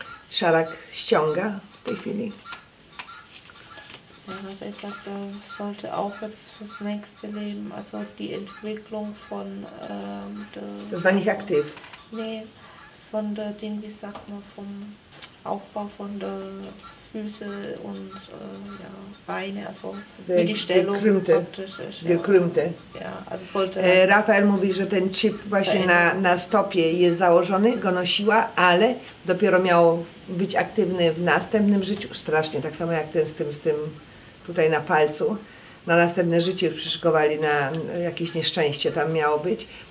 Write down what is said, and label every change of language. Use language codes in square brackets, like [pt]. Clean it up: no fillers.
[pl] Szarak ściąga w tej chwili. [de] Ja, er sagt, er sollte auch jetzt fürs nächste Leben, also die Entwicklung von das war nicht aktiv. Nee, von der Ding, wie sagt man, vom Aufbau von der Füße und ja, Beine, also wie die Stellung gekrümmte. Gekrümmte. Ja, also sollte [pl] Rafael mówi, że ten chip właśnie na stopie jest założony, go nosiła, ale dopiero miał być aktywny w następnym życiu. Strasznie, tak samo jak ten z tym tutaj na palcu, na następne życie przyszykowali na jakieś nieszczęście tam miało być.